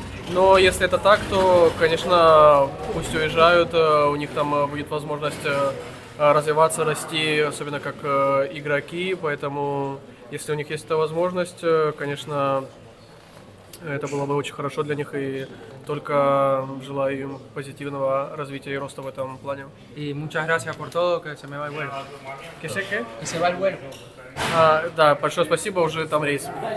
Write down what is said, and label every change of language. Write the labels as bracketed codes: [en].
[ru] Но если это так, то, конечно, пусть уезжают, у них там будет возможность развиваться, расти, особенно как игроки, поэтому если у них есть эта возможность, конечно, это было бы очень хорошо для них, и только желаю им позитивного развития и роста в этом плане. [es] И muchas gracias por todo, que se me va el vuelo. Que se va el vuelo. [ru] Да, большое спасибо, уже там рейс.